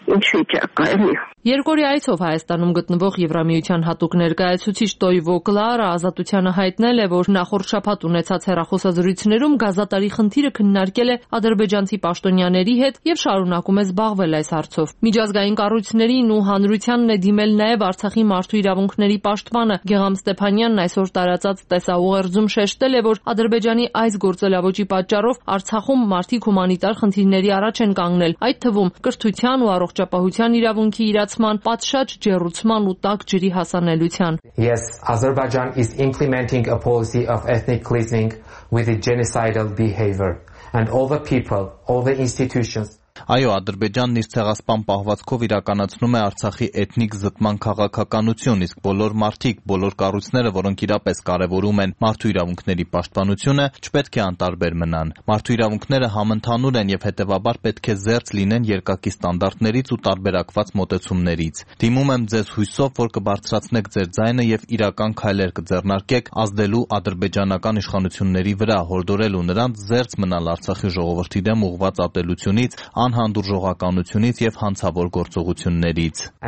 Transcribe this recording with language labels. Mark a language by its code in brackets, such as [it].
[hy] Երկորի այցով Հայաստանում գտնվող Եվրամիության հատուկ ներկայացուցիչ Տոյվո Կլարը Ազատությանը հայտնել է, որ նախորդ շաբաթ ունեցած հեռախոսազրույցներում գազատարի խնդիրը քննարկել է ադրբեջանցի պաշտոնյաների հետ և շարունակում է զբաղվել այս հարցով։ Միջազգային կառույցներին ու հանրությանն է դիմել նաև Արցախի մարդու իրավունքների պաշտպանը Գեգամ Ստեփանյանն այսօր տարածած տեսաուղերձում շեշտել է, որ Ադրբեջանի այս գործելավոճի պատճառով Արցախում մարդիկ հումանիտար խնդիրների առաջ են կանգնել, այդ թվում կրթության ու առողջապահության իրավունքի իրացման, պատշաճ ջերուցման ու տաք ջրի հասանելիության։ [en] Yes, Azerbaijan is implementing a policy of ethnic cleansing with a genocidal behavior and all the people, all the institutions. [hy] Այո, Ադրբեջանն իր ցեղասպան պահվածքով իրականացնում է Արցախի էթնիկ զտման քաղաքականություն, իսկ բոլոր մարդիկ, բոլոր կառույցները, որոնք իրապես կարևորում են մարդու իրավունքների պաշտպանությունը, չպետք է անտարբեր մնան։ Մարդու իրավունքները համընդհանուր են եւ հետեւաբար պետք է զերծ լինեն երկակի ստանդարտներից ու տարբերակված մոտեցումներից։ Դիմում եմ ձեզ հույսով, որ կբարձրացնեք ձեր ձայնը եւ իրական քայլեր կձեռնարկեք ազդելու ադրբեջանական իշխանությունների վրա, հորդորելու նրանց զերծ մնալ Արցախի ժողովրդի դեմ ուղված ապելությունից, անհանդուրժողականությունից եւ հանցավոր գործողություններից։